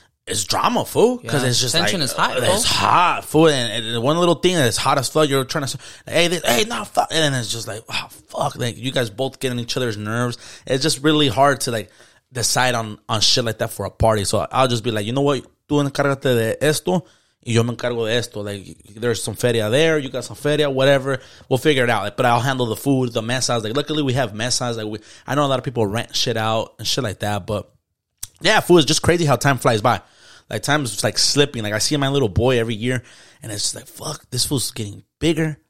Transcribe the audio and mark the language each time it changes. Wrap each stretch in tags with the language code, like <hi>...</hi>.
<en>it's drama, fool. Because yeah, it's just tension like, is hot, bro. It's hot, fool. And one little thing that's hot as fuck, you're trying to say, hey, no, fuck. And then it's just like, oh, fuck. Like, you guys both get on each other's nerves. It's just really hard to, like, decide on shit like that for a party. So I'll just be like, you know what?</en> <es>Tú encárgate de esto y yo me encargo de esto.</es> <en>Like, there's some feria there. You got some feria, whatever. We'll figure it out. Like, but I'll handle the food, the mesas. Like, luckily, we have mesas. Like, I know a lot of people rent shit out and shit like that, but... Yeah, fool, it's just crazy how time flies by. Like, time is just, like, slipping. Like, I see my little boy every year, and it's just like, fuck, this fool's getting bigger.</en>